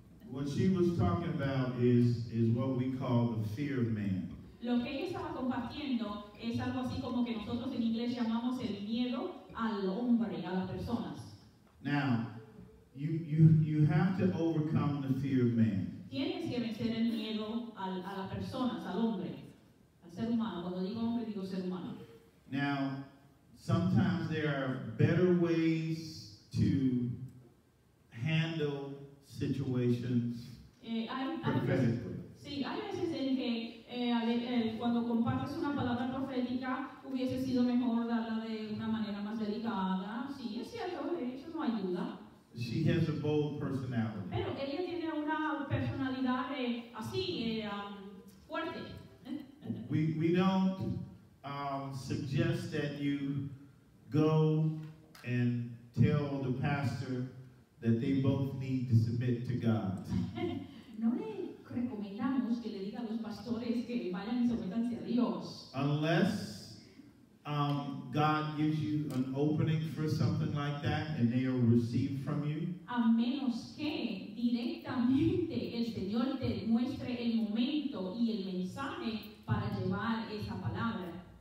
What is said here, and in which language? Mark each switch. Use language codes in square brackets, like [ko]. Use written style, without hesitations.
[en] What she was talking about is what we call the fear of man. [es] Lo que ella estaba compartiendo es algo así como que nosotros en inglés llamamos el miedo al hombre, a las personas. [en] Now, you have to overcome the fear of man. [es] Tienes que vencer el miedo a las personas, al hombre, al ser humano. Cuando digo hombre, digo ser humano. [en] Now, sometimes there are better ways to handle situations prophetically. [es] Sí, hay veces en que cuando compartes una palabra profética hubiese sido mejor darla de una manera más delicada. Sí, es cierto, eso no ayuda. [en] She has a bold personality. [es] Pero ella tiene una personalidad así, fuerte. [en] We don't suggest that you go and tell the pastor that they both need to submit to God. [es] No le recomendamos que le diga a los pastores que vayan y sometan a Dios. [en] Unless God gives you an opening for something like that and they will receive from you. [es] A menos que directamente el Señor te muestre el momento y el mensaje para llevar esa palabra.